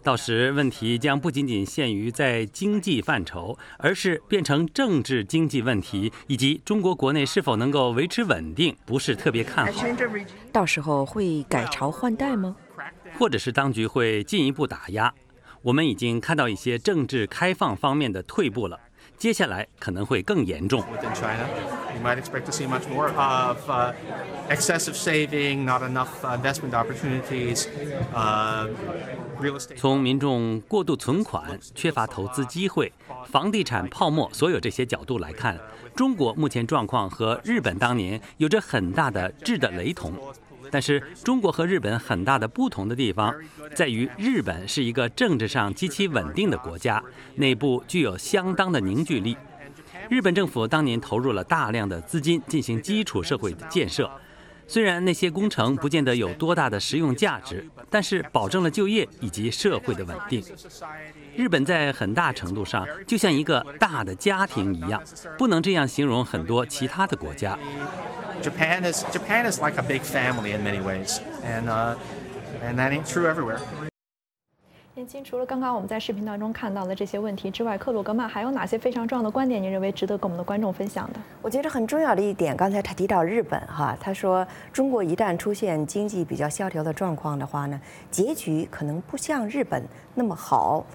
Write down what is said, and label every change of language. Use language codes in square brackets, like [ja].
[zh] 到时问题将不仅仅限于在经济范畴，而是变成政治经济问题，以及中国国内是否能够维持稳定，不是特别看好。到时候会改朝换代吗？或者是当局会进一步打压，我们已经看到一些政治开放方面的退步了，接下来可能会更严重。 [en] Within China, you might expect to see much more of excessive saving, not enough investment opportunities, real estate. [zh] 从民众过度存款、缺乏投资机会、房地产泡沫所有这些角度来看，中国目前状况和日本当年有着很大的质的雷同。但是中国和日本很大的不同的地方在于，日本是一个政治上极其稳定的国家，内部具有相当的凝聚力。日本政府当年投入了大量的资金进行基础社会建设，虽然那些工程不见得有多大的实用价值，但是保证了就业以及社会的稳定。日本在很大程度上就像一个大的家庭一样，不能这样形容很多其他的国家。 [en] Japan is like a big family in many ways, and that ain't true everywhere. [zh] 燕青，除了刚刚我们在视频当中看到的这些问题之外，克鲁格曼还有哪些非常重要的观点？你认为值得跟我们的观众分享的？我觉得很重要的一点，刚才他提到日本哈，他说中国一旦出现经济比较萧条的状况的话呢，结局可能不像日本那么好。